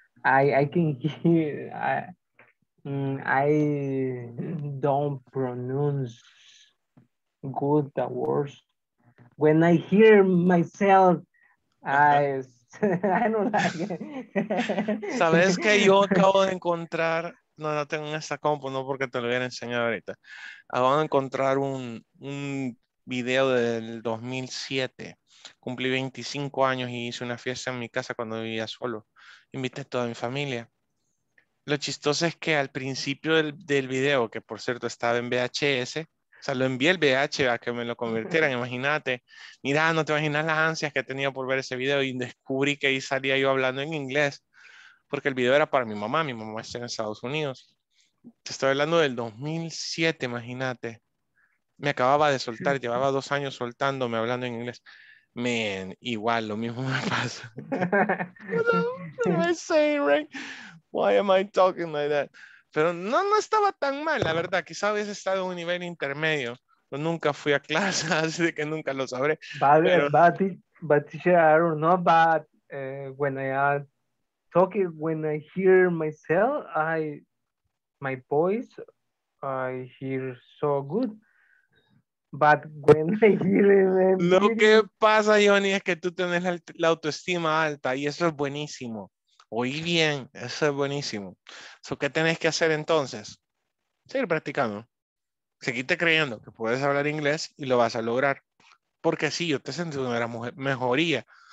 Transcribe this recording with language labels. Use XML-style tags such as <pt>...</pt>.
<en>I can hear. I don't pronounce good the words. When I hear myself, I don't like it.</en> <es>¿Sabes que yo acabo de encontrar? No, no tengo en esta compu, no porque te lo hubiera enseñado ahorita. Acabo de encontrar un video del 2007. Cumplí 25 años y hice una fiesta en mi casa cuando vivía solo. Invité a toda mi familia. Lo chistoso es que al principio del video, que por cierto estaba en VHS, o sea, lo envié el VHS a que me lo convirtieran, imagínate. Mira, no te imaginas las ansias que tenía por ver ese video y descubrí que ahí salía yo hablando en inglés, porque el video era para mi mamá está en Estados Unidos. Te estoy hablando del 2007, imagínate. Me acababa de soltar, llevaba 2 años soltándome hablando en inglés.</es> <en>Man,</en> <es>igual, lo mismo me pasa.</es> <en>What am I saying, right? Why am I talking like that?</en> <es>Pero no estaba tan mal, la verdad. Quizá hubiese estado en un nivel intermedio. Pero nunca fui a clase, así de que nunca lo sabré.</es> <en>But I don't know, but when I talk it, when I hear myself, my voice, I hear so good. But when I hear it,</en> <es>lo que pasa, Johnny, es que tú tienes la autoestima alta y eso es buenísimo. Oí bien, eso es buenísimo.</es> <en>So,</en> <es>¿qué tenés que hacer entonces? Seguir practicando. Seguirte creyendo que puedes hablar inglés y lo vas a lograr. Porque sí, yo te sentí una mejoría.</es>